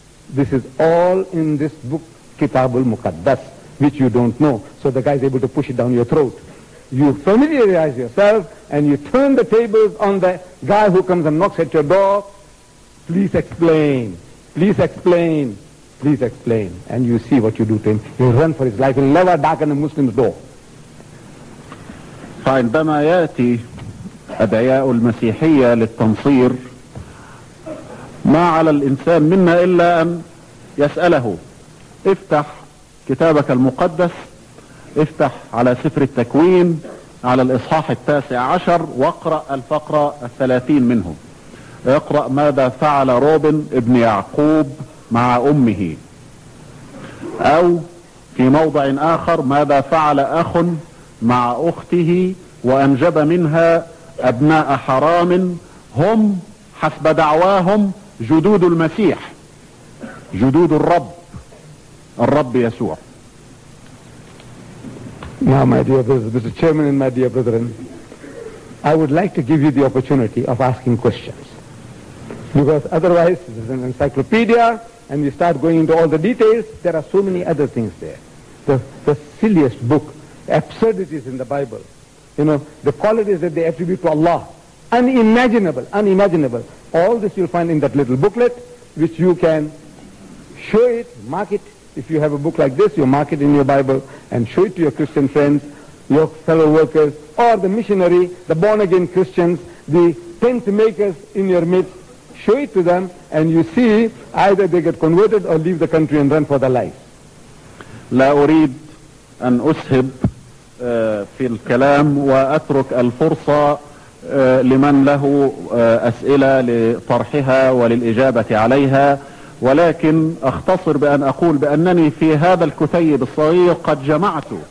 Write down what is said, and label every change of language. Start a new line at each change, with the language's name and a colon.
English: This is all in this book, Kitab al-Muqaddas, which you don't know, so the guy's able to push it down your throat. You familiarize yourself and you turn the tables on the guy who comes and knocks at your door. Please explain. Please explain. Please explain. And you see what you do to him. He'll run for his life. He'll never darken a Muslim's door.
Arabic: فعندما يأتي أدعياء المسيحية للتنصير، ما على الإنسان منا إلا أن يسأله، افتح كتابك المقدس، افتح على سفر التكوين على الإصحاح 19 واقرأ الفقرة 30 منه. اقرأ ماذا فعل روبن ابن يعقوب مع أمه، أو في موضع آخر ماذا فعل أخ مع أخته وأنجب منها أبناء حرام هم حسب دعواهم جدود المسيح، جدود الرب، الرب يسوع.
English: Now my dear brothers, Mr. Chairman and my dear brethren, I would like to give you the opportunity of asking questions. Because otherwise this is an encyclopedia and you start going into all the details, there are so many other things there. The silliest book, absurdities in the Bible, you know, the qualities that they attribute to Allah, unimaginable, unimaginable. All this you'll find in that little booklet, which you can show it, mark it. If you have a book like this, you mark it in your Bible and show it to your Christian friends, your fellow workers, or the missionary, the born-again Christians, the tent makers in your midst. Show it to them and you see either they get converted or leave the country and run for their life.
Arabic: لا أريد أن أسهب في الكلام وأترك الفرصة لمن له أسئلة لطرحها وللإجابة عليها، ولكن أختصر بأن أقول بأنني في هذا الكتيب الصغير قد جمعت